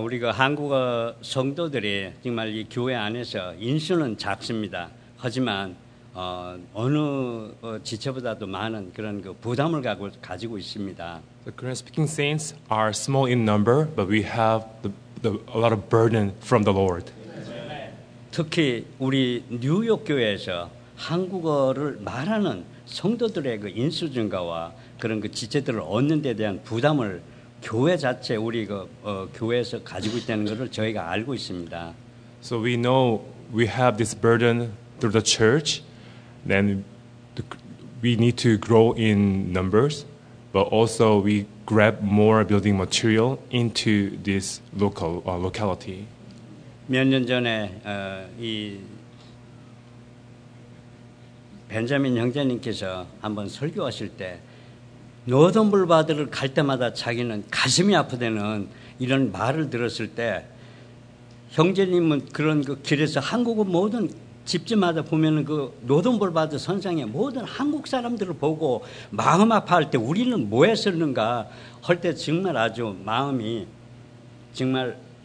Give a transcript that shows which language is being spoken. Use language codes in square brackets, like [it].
[ko] 우리 그 한국어 성도들이 정말 이 교회 안에서 인수는 작습니다. 하지만 어느 지체보다도 많은 그런 그 부담을 가지고 있습니다. [en] The Korean speaking saints are small in number, but we have a lot of burden from the Lord. [ko] 특히 우리 뉴욕 교회에서 한국어를 말하는 성도들의 그 인수 증가와 그런 그 지체들을 얻는 데 대한 부담을 교회 자체 우리 그 교회에서 가지고 있다는 것을 저희가 알고 있습니다. [en] So we know we have this burden through the church. Then we need to grow in numbers, but also we grab more building material into this local locality. [ko] 몇 년 전에 이 벤자민 형제님께서 한번 설교하실 때 노던블바드를 갈 때마다 자기는 가슴이 아프다는 이런 말을 들었을 때 형제님은 그런 그 길에서 한국어 모든 집집마다 보면은 그 노던블바드 선상에 모든 한국 사람들을 보고 마음 아파할 때 우리는 뭐 했었는가 할 때 정말 아주 마음이 정말